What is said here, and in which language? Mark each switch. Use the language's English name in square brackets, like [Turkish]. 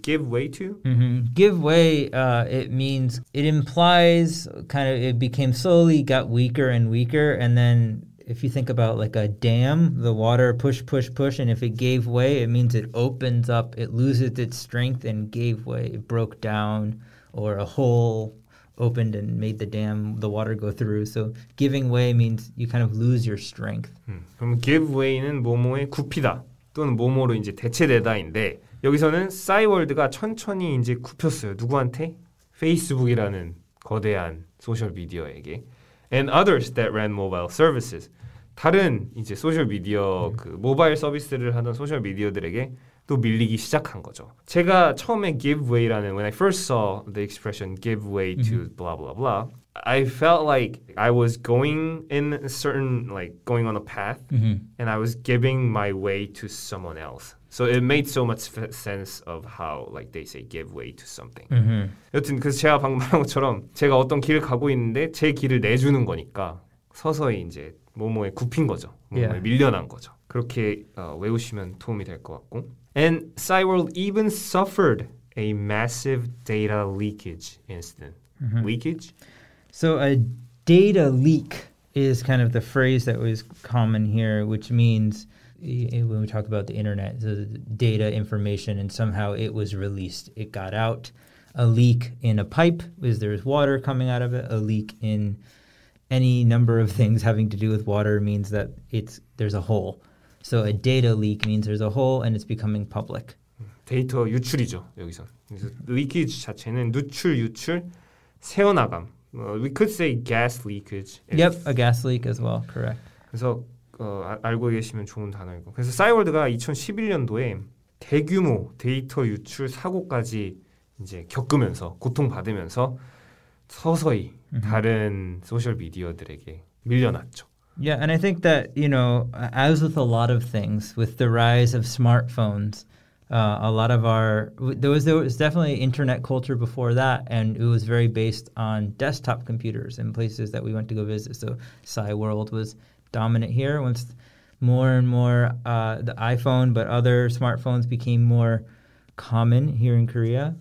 [English] give way it means it implies kind of it became slowly got weaker and weaker and then If you think about like a dam, the water push, and if it gave way, it means it opens up, it loses its strength and gave way, it broke down, or a hole opened and made the dam, the water go through. So giving way means you kind of lose your strength. [Korean] 그럼 give way는 뭐뭐의 굽히다, 또는 뭐뭐로 이제 대체되다인데, 여기서는 싸이월드가 천천히 이제 굽혔어요. 누구한테? 페이스북이라는 거대한 소셜미디어에게. [English] And others that ran mobile services. [Korean] 다른 이제 소셜미디어, 그 모바일 서비스를 하던 소셜미디어들에게 또 밀리기 시작한 거죠. 제가 처음에 [English] give way라는, when I first saw the expression give way to blah blah blah, I felt like I was going in a certain, like going on a path, and I was giving my way to someone else. So it made so much sense of how, like they say, give way to something. [Korean] 여튼 그 제가 방금 말한 것처럼 제가 어떤 길을 가고 있는데 제 길을 내주는 거니까 서서히 이제 뭐뭐에 굽힌 거죠. 뭐뭐에 밀려난 거죠. 그렇게 외우시면 도움이 될 것 같고. [English] And Cyworld even suffered a massive data leakage incident. Leakage? So a data leak is kind of the phrase that was common here, which means when we talk about the internet, the data, information, and somehow it was released. It got out. A leak in a pipe is there's water coming out of it. A leak in any number of things having to do with water means that there's a hole. So a data leak means there's a hole and it's becoming public. [Korean] 데이터 유출이죠, 여기서. 그래서 leakage 자체는 누출, 유출, 새어나감. [English] We could say gas leakage. Yep, a gas leak as well, correct. [Korean] 그래서 알고 계시면 좋은 단어일 거. 그래서 싸이월드가 2011년도에 대규모 데이터 유출 사고까지 이제 겪으면서 고통받으면서 서서히 다른 소셜 미디어들에게 밀려났죠. [English] Yeah, and I think that, you know, as with a lot of things, with the rise of smartphones, a lot of our there was definitely internet culture before that, and it was very based on desktop computers in places that we went to go visit. So Cyworld was dominant here. Once more and more the iPhone, but other smartphones became more common here in Korea.